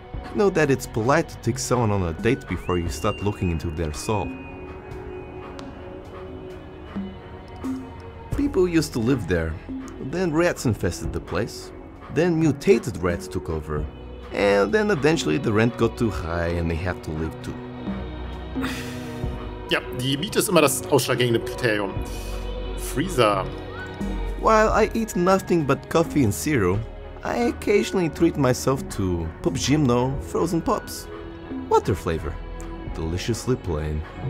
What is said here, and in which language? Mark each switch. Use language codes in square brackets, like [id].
[en] You know that it's polite to take someone on a date before you start looking into their soul. People used to live there. Then rats infested the place. Then mutated rats took over. And then eventually the rent got too high and they have to leave too. [de] Ja, die Miete ist immer das ausschlaggebende Kriterium. [en] Freezer. While I eat nothing but coffee and cereal, I occasionally treat myself to Pop Gymno frozen pops. Water flavor. Deliciously plain.